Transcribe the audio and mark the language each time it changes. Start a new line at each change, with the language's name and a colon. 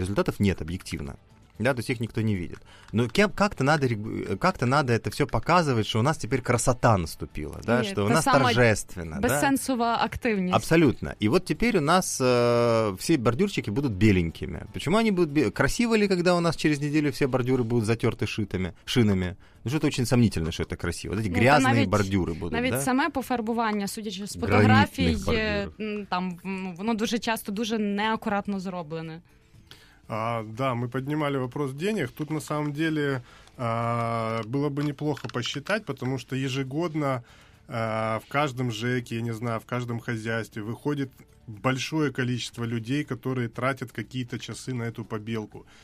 Russian: Результатов нет объективно. Да, то есть их никто не видит. Но как-то надо это все показывать, что у нас теперь красота наступила, да, что у нас торжественно. Бессенсовая, да? Активность. Абсолютно. И вот теперь у нас все бордюрчики будут беленькими. Почему они будут беленькими? Красиво ли, когда у нас через неделю все бордюры будут затерты шинами? Ну, что-то очень сомнительно, что это красиво. Вот эти грязные бордюры будут,
Ukrainian: навіть,
Russian: да?
Ukrainian: Саме пофарбування, судячи з фотографій, там, воно дуже часто дуже неаккуратно зроблене.
Russian: Да, мы поднимали вопрос денег. Тут на самом деле было бы неплохо посчитать, потому что ежегодно в каждом ЖЭКе, я не знаю, в каждом хозяйстве выходит большое количество людей, которые тратят какие-то часы на эту побелку.